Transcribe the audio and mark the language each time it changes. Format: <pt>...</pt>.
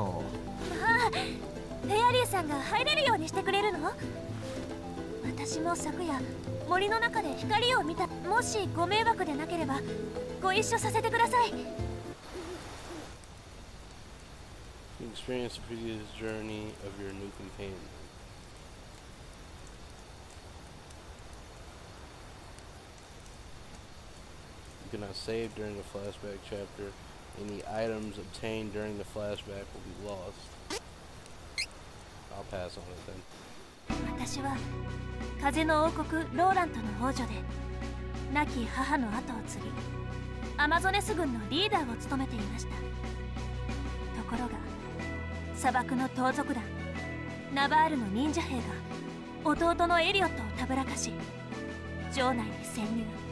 <ja>まあ、フェアリーさんが入れるようにしてくれるの？私も昨夜、森の中で光を見た…もしご迷惑でなければ、ご一緒させてください。</ja> <en>Experience the previous journey of your new companion. You cannot save during the flashback chapter. Any items obtained during the flashback will be lost. I'll pass on it then.</en> <ja>私は風の王国ローラントの王女で、亡き母の後を継ぎ、アマゾネス軍のリーダーを務めていました。ところが、砂漠の盗賊団、ナバールの忍者兵が弟のエリオットをたぶらかし、城内に潜入。</ja>